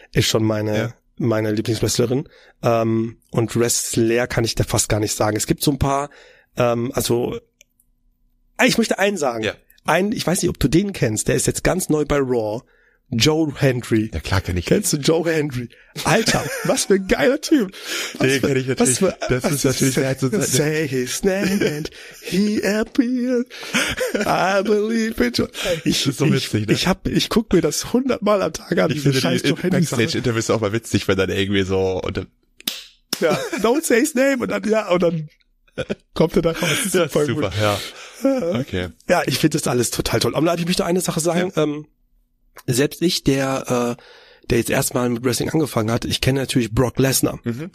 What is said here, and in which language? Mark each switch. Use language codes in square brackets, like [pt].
[de] Ist schon meine Lieblingswrestlerin. Und Wrestler kann ich da fast gar nicht sagen. Es gibt so ein paar, also ich möchte einen sagen. Ja. Einen, ich weiß nicht, ob du den kennst, der ist jetzt ganz neu bei Raw. Joe Hendry. Ja, klar kenn ich. Kennst du Joe Hendry? Alter, was für ein geiler Typ. Den kenn ich natürlich. Das ist natürlich der so. [en] Say his name and he appeared. I believe it. [de] Ich guck mir das 100 Mal am Tag an. Ich finde die Backstage-Interviews auch mal witzig, wenn dann irgendwie so und dann. Ja, [en] don't say his name [de] und dann, ja, und dann kommt er da raus. Das ist voll super, gut. Ja. Okay. Ja, ich finde das alles total toll. Aber ich möchte eine Sache sagen. Ja. Selbst ich, der jetzt erstmal mit Wrestling angefangen hat, ich kenne natürlich Brock Lesnar. Mhm.